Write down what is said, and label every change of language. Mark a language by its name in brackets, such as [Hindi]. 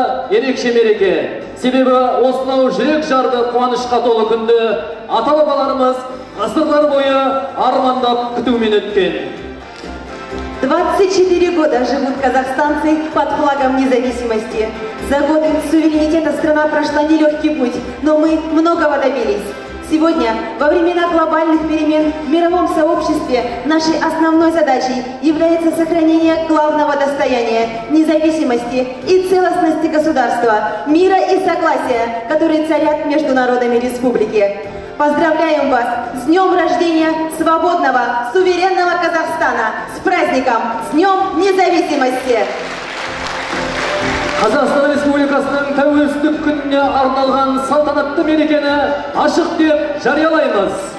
[Kazakh] Ерекше мереке, себебі осынау жүрек жарды қуанышқа толы күнді ата-бабаларымыз ғасырлар бойы армандап күтумен өткен. [Russian] 24 года живут казахстанцы под флагом независимости. За годы суверенитета страна прошла нелегкий путь, но мы многого добились. Сегодня, во времена глобальных перемен в мировом сообществе, нашей основной задачей является сохранение главного достояния – независимости и целостности государства, мира и согласия, которые царят между народами республики. Поздравляем вас с днем рождения свободного, суверенного Казахстана! С праздником! С днем независимости! [Kazakh] Қазақстан Республикасының тәуелсіздік күніне арналған салтанатты мерекені ашық деп жариялаймыз.